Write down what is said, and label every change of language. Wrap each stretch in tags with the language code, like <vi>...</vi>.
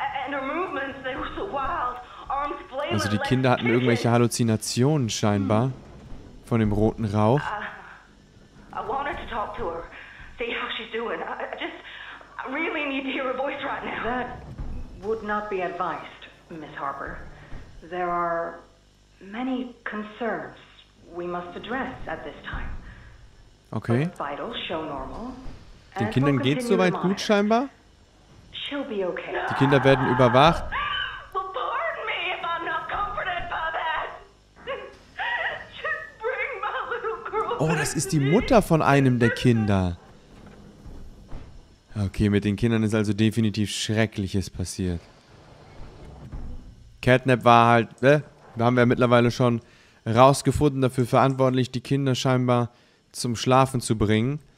<en>And her movements, they were so wild. Arms flailing.</en> <de>Also die Kinder hatten irgendwelche Halluzinationen scheinbar von dem roten Rauch.</de> <en>I wanted to talk to her, see how she's doing. I really need to hear her voice right now. That would not be advised, Miss Harper. There are many concerns we must address at this time. Okay. Both vitals show normal.</en> <de>Den Kindern geht's soweit gut scheinbar.</de> <en>She'll be okay.</en> <de>Die Kinder werden überwacht.</de> <en>Well, pardon me if I'm not comforted by that. Just bring my little girl.</en> <de>Oh, das ist die Mutter von einem der Kinder. Okay, mit den Kindern ist also definitiv Schreckliches passiert. Catnap war halt, haben wir mittlerweile schon rausgefunden, dafür verantwortlich, die Kinder scheinbar zum Schlafen zu bringen.</de>